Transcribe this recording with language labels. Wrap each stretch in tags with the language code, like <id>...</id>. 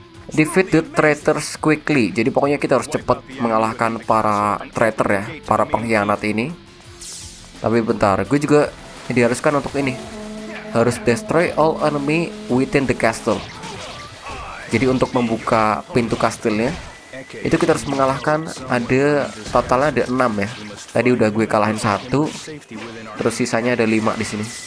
<en>Defeat the traitors quickly.</en> <id>Jadi pokoknya kita harus cepat mengalahkan para traitor ya, para pengkhianat ini. Tapi bentar, gue juga diharuskan untuk ini. Harus</id> <en>destroy all enemy within the castle.</en> <id>Jadi untuk membuka pintu kastilnya, itu kita harus mengalahkan ada totalnya ada 6 ya. Tadi udah gue kalahin 1, terus sisanya ada 5 di sini.</id>